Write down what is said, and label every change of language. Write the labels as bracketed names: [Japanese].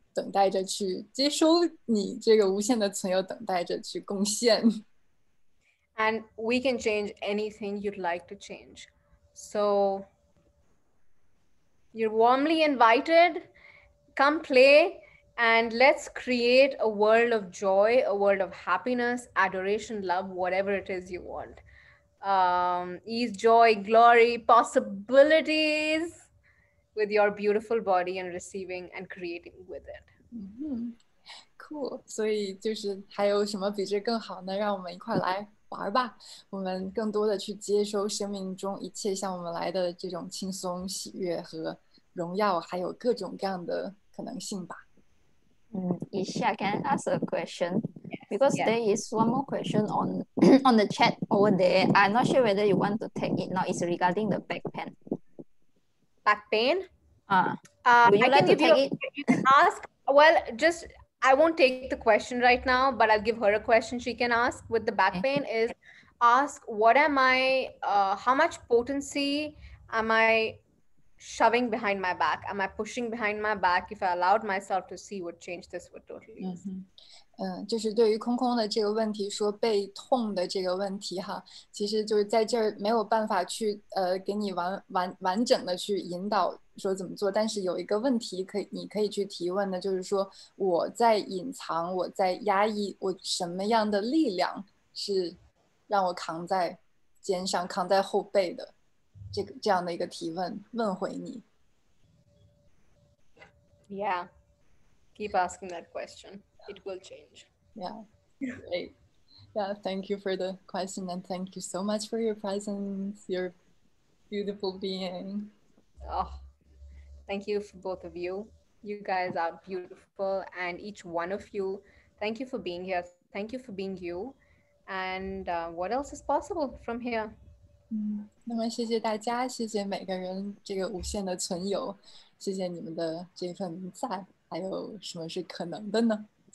[Chinese] 等待着去接收你这个无限的存有，等待着去贡献。 [English] And we can change anything you'd like to change. So you're warmly invited. Come play and let's create a world of joy, a world of happiness, adoration, love, whatever it is you want. Ease, joy, glory, possibilities. With your beautiful body and receiving and creating with it. Mm-hmm. Cool. [Chinese] 所以就是还有什么比这更好呢？让我们一块来玩吧。我们更多的去接收生命中一切向我们来的这种轻松、喜悦和荣耀，还有各种各样的可能性吧。 [English] Isha, can I ask a question? Because yes, there is one more question on, on the chat over there. I'm not sure whether you want to take it now. It's regarding the back pain. Back pain. Would you like to take it? Well, just I won't take the question right now, but I'll give her a question she can ask with the back pain. Is ask what am I? How much potency am I shoving behind my back? Am I pushing behind my back? If I allowed myself to see what change this would totally. [Chinese] 嗯嗯，就是对于空空的这个问题，说被痛的这个问题哈，其实就是在这儿没有办法去给你完整的去引导说怎么做，但是有一个问题你可以去提问的，就是说我在隐藏，我在压抑，我什么样的力量是让我扛在肩上、扛在后背的，这样的一个提问问回你。 [English] Yeah, keep asking that question. It will change. Yeah, great. Yeah, thank you for the question and thank you so much for your presence, your beautiful being. Oh, thank you for both of you. You guys are beautiful and each one of you, thank you for being here. Thank you for being you. And what else is possible from here? [Chinese] 那么谢谢大家，谢谢每个人这个无限的存有，谢谢你们的这份在，还有什么是可能的呢？